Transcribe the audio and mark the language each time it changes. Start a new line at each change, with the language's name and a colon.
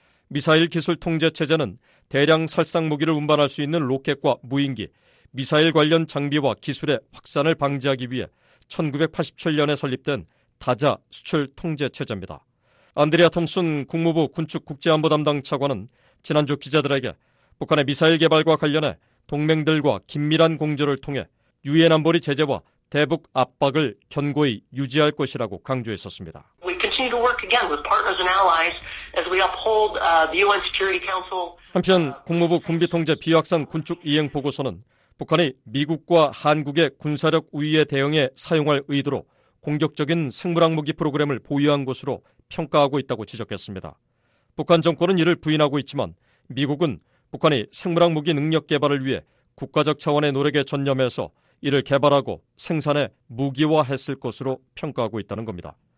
Korean: 미사일 기술 통제 체제는 대량 살상 무기를 운반할 수 있는 로켓과 무인기, 미사일 관련 장비와 기술의 확산을 방지하기 위해 1987년에 설립된 다자 수출 통제 체제입니다. 안드레아 톰슨 국무부 군축국제안보담당 차관은 지난주 기자들에게 북한의 미사일 개발과 관련해 동맹들과 긴밀한 공조를 통해 유엔 안보리 제재와 대북 압박을 견고히 유지할 것이라고 강조했었습니다.
English: work again with partners and allies as we uphold the UN Security Council.
Korean: 한편 국무부 군비통제 비확산 군축 이행 보고서는 북한이 미국과 한국의 군사력 우위에 대응해 사용할 의도로 공격적인 생물학 무기 프로그램을 보유한 것으로 평가하고 있다고 지적했습니다. 북한 정권은 이를 부인하고 있지만 미국은 북한이 생물학 무기 능력 개발을 위해 국가적 차원의 노력에 전념해서 이를 개발하고 생산해 무기화했을 것으로 평가하고 있다는 겁니다.